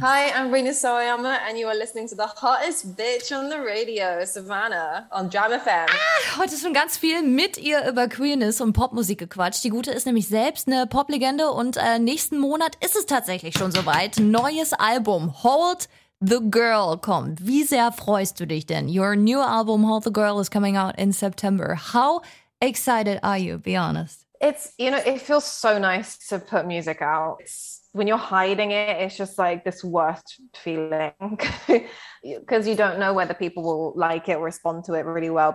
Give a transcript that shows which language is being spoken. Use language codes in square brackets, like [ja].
[en] Hi, I'm Rina Soyama and you are listening to the hottest bitch on the radio, Savannah, on Jam FM. [de] Heute ist schon ganz viel mit ihr über Queerness und Popmusik gequatscht. Die Gute ist nämlich selbst eine Poplegende und nächsten Monat ist es tatsächlich schon soweit. Neues Album, Hold The Girl kommt. Wie sehr freust du dich denn? [en] Your new album, Hold the Girl, is coming out in September. How excited are you? Be honest. It's, you know, it feels so nice to put music out. It's, when you're hiding it, it's just like this worst feeling because you don't know whether people will like it or respond to it really well.